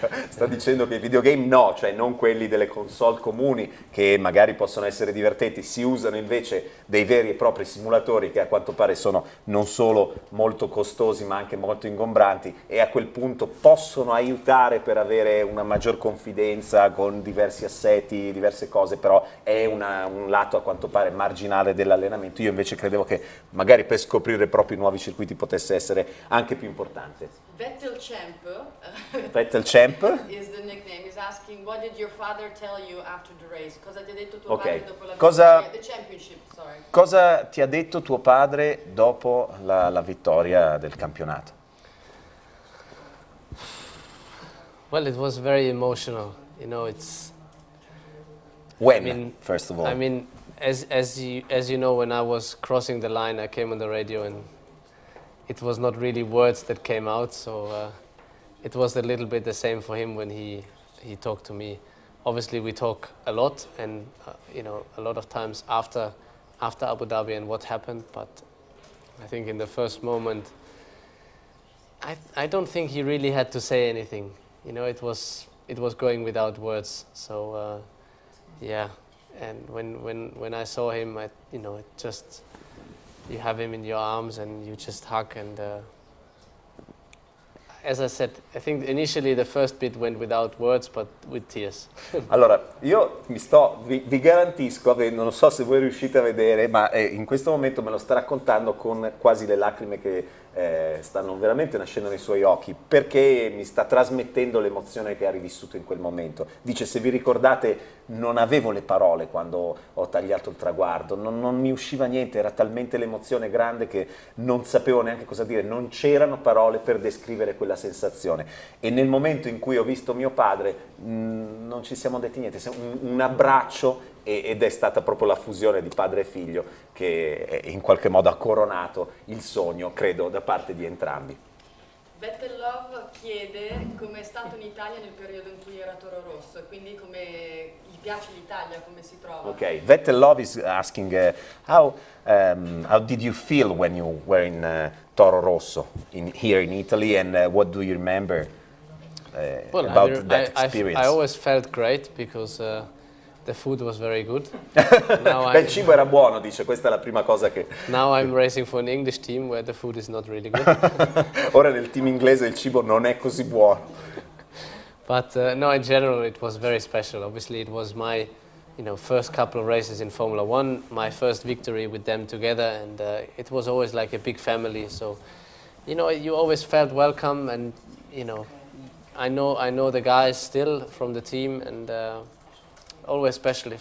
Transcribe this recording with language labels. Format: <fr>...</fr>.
<it>Sta dicendo che i videogame no, cioè non quelli delle console comuni che magari possono essere divertenti, si usano invece dei veri e propri simulatori che a quanto pare sono non solo molto costosi ma anche molto ingombranti e a quel punto possono aiutare per avere una maggior confidenza con diversi assetti, diverse cose, però è un lato a quanto pare marginale dell'allenamento. Io invece credevo che magari per scoprire proprio nuovi circuiti potesse essere anche più importante.</it> <en>Vettel Champ is the nickname. He's asking, what did your father tell you after the race?</en> <it>Cosa ti ha detto tuo okay. padre dopo la cosa, vittoria?</it> <en>The championship, sorry.</en> <it>Cosa ti ha detto tuo padre dopo la vittoria del campionato?</it> <en>Well, it was very emotional. You know, it's when I mean, first of all. I mean, as you know, when I was crossing the line, I came on the radio and it was not really words that came out, so it was a little bit the same for him when he talked to me. Obviously, we talk a lot, and you know, a lot of times after Abu Dhabi and what happened. But I think in the first moment, I don't think he really had to say anything. You know, it was going without words. So yeah, and when I saw him, I you know, it just. You have him in your arms and you just hug and as I said, I think initially the first bit went without words but with tears.</en> <it>Allora, io vi garantisco, non so se voi riuscite a vedere, ma in questo momento me lo sta raccontando con quasi le lacrime che stanno veramente nascendo nei suoi occhi, perché mi sta trasmettendo l'emozione che ha rivissuto in quel momento. Dice, se vi ricordate, non avevo le parole quando ho tagliato il traguardo, non mi usciva niente, era talmente l'emozione grande che non sapevo neanche cosa dire, non c'erano parole per descrivere quella sensazione. E nel momento in cui ho visto mio padre, non ci siamo detti niente, un abbraccio, ed è stata proprio la fusione di padre e figlio che in qualche modo ha coronato il sogno, credo, da parte di entrambi. Vettel Love chiede come è stato in Italia nel periodo in cui era Toro Rosso, quindi come gli piace l'Italia, come si trova.</it> <en>Ok, Vettel Love is asking how did you feel when you were in Toro Rosso here in Italy and what do you remember about that experience? I always felt great because the food was very good.</en> <it>Il cibo era buono, dice, questa è la prima cosa che...</it> <en>Now I'm racing for an English team where the food is not really good.</en> <it>Ora nel team inglese il cibo non è così buono.</it> <en>But no, in general it was very special. Obviously it was my, you know, first couple of races in Formula One, my first victory with them together, and it was always like a big family. So, you know, you always felt welcome and, you know, I know the guys still from the team and... always special.</en>